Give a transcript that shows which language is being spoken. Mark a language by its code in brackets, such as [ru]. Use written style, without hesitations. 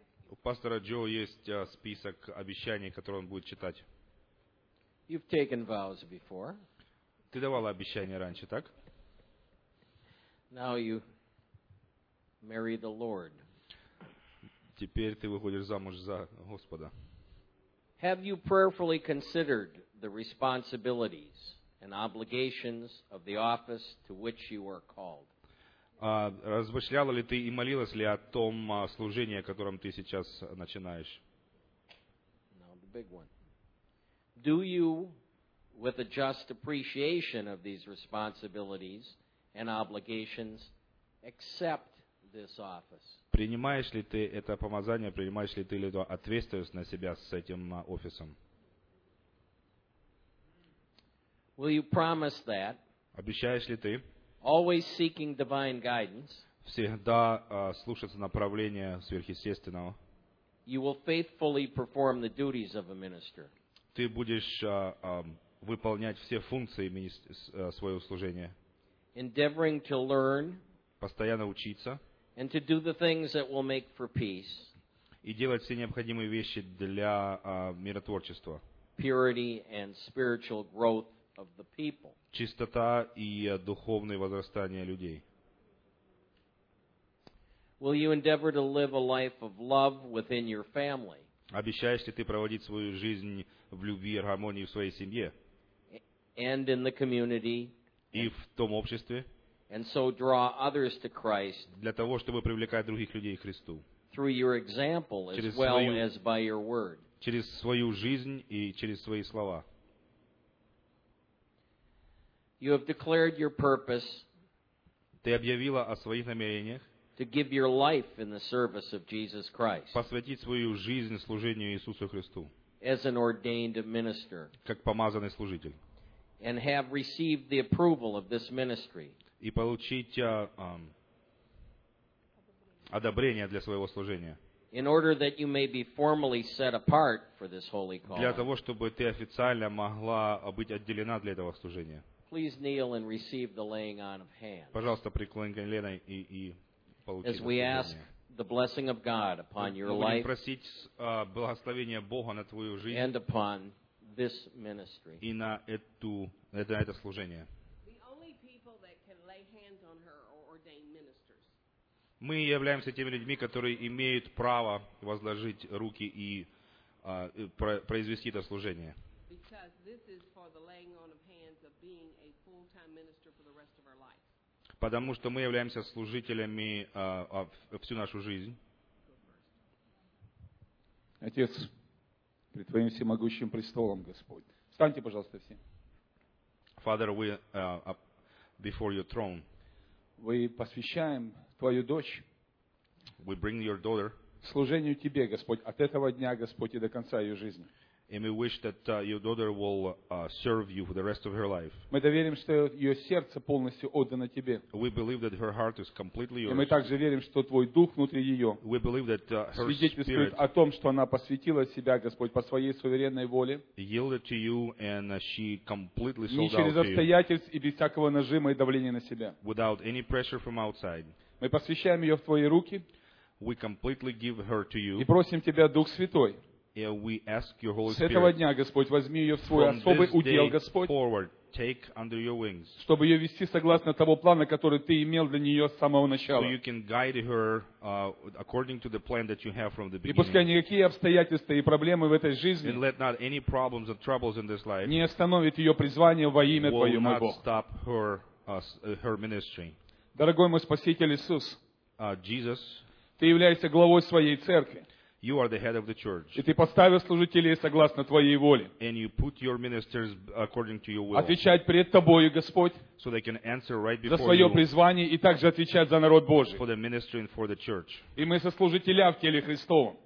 [ru] У пастора Джо есть список обещаний, которые он будет читать. [en] You've taken vows before. [ru] Ты давала обещания раньше, так? [en] Now you marry the Lord. [ru] Теперь ты выходишь замуж за Господа. [en] Have you prayerfully considered the responsibilities and obligations of the office to which you are called? [ru] Размышляла ли ты и молилась ли о том служении, которым ты сейчас начинаешь? [en] Now the big one. Do you, with a just appreciation of these responsibilities and obligations, accept this office? [ru] Принимаешь ли ты это помазание, принимаешь ли ты эту ответственность на себя с этим офисом? [en] Will you promise that? [ru] Обещаешь ли ты? [en] Always seeking divine guidance. [ru] Всегда слушаться направления сверхъестественного. [en] You will faithfully perform the duties of a minister. [ru] Ты будешь выполнять все функции своего служения. [en] Endeavoring to learn. [ru] Постоянно учиться. [en] And to do the things that will make for peace. [ru] И делать все необходимые вещи для миротворчества. [en] Purity and spiritual growth. Of the people. [ru] Чистота и духовное возрастание людей. [en] Will you endeavor to live a life of love within your family? [ru] Обещаешь ли ты проводить свою жизнь в любви и гармонии в своей семье? [en] And in the community. [ru] И в том обществе. [en] And so draw others to Christ. [ru] Для того, чтобы привлекать других людей к Христу. [en] Through your example as well as by your word. [ru] Через свою жизнь и через свои слова. [en] You have declared your purpose. [ru] Ты объявила о своих намерениях. [en] To give your life in the service of Jesus Christ. [ru] Посвятить свою жизнь служению Иисусу Христу. [en] As an ordained minister. [ru] Как помазанный служитель. [en] And have received the approval of this ministry. [ru] И получить одобрение для своего служения. [en] In order that you may be formally set apart for this holy call. [ru] Для того, чтобы ты официально могла быть отделена для этого служения. [en] Please kneel and receive the laying on of hands. [ru] Пожалуйста, преклони колено и получи. [en] As we ask the blessing of God upon your life. [ru] Мы будем просить благословения Бога на твою жизнь. [en] And upon this ministry. [ru] И на это служение. [en] The only people that can lay hands on her are ordained ministers. [ru] Мы являемся теми людьми, которые имеют право возложить руки и произвести это служение. [en] Because this is for the laying on of hands of being a full-time minister for the rest of our life. [ru] Потому что мы являемся служителями всю нашу жизнь. Отец, пред твоим всемогущим престолом, Господь. Встаньте, пожалуйста, все. [en] Father, we before your throne. [ru] Мы посвящаем твою дочь. [en] We bring your daughter. [ru] Служению тебе, Господь, от этого дня, Господь, и до конца ее жизни. [en] And we wish that your daughter will serve you for the rest of her life. [ru] Мы доверим, что её сердце полностью отдано тебе. [en] We believe that her heart is completely yours. [ru] И мы также верим, что твой дух внутри её. [en] We believe that her spirit [ru] свидетельствует о том, что она посвятила себя, Господь, по своей суверенной воле. [en] Yielded to you and she completely sold out to [ru] you. Не через обстоятельств и без всякого нажима и давления на себя. [en] Without any pressure from outside. [ru] Мы посвящаем её в твои руки. [en] We completely give her to you. [ru] И просим тебя, Дух Святой. [en] And we ask your Holy Spirit. [ru] С этого дня, Господь, возьми ее в свой особый удел, Господь. [en] Forward, take under your wings. [ru] Чтобы ее вести согласно того плана, который ты имел для нее с самого начала. [en] So you can guide her according to the plan that you have from the beginning. [ru] И пускай никакие обстоятельства и проблемы в этой жизни. [en] And let not any problems or troubles in this life. [ru] Не остановит ее призвание во имя Твое, мой Бог. [en] Will not stop her ministry. [ru] Дорогой мой Спаситель Иисус. [en] Jesus. [ru] Ты являешься главой своей церкви. [en] You are the head of the church. [ru] И ты поставил служителей согласно твоей воле. [en] And you put your ministers according to your will. [ru] Отвечать пред тобою, Господь. [en] So they can answer right before [ru] you. За свое [en] you. [ru] Призвание и также отвечать за народ Божий. [en] For the ministry and for the church. [ru] И мы сослужителя в теле Христовом.